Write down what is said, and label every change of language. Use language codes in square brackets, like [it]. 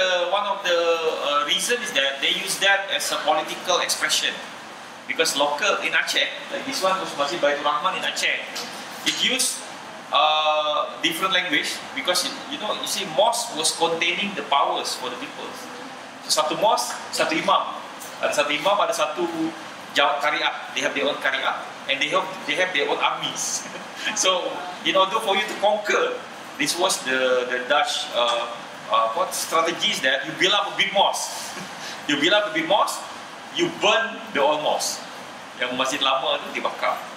[en] One of the reasons is that they use that as a political expression. Because local in Aceh, like this one was Masjid Baitul Rahman in Aceh, it used a different language because, you see, mosque was containing the powers for the people. [ms] Satu mos, satu imam. Ada satu imam, ada satu jawab kariah. [en] They have their own kariah, and they have their own armies. So, in order for you to conquer, this was the Dutch strategies that you build up a big mosque. You build up a big mosque, you burn the old mosque. [ms] Yang masjid lama itu dibakar.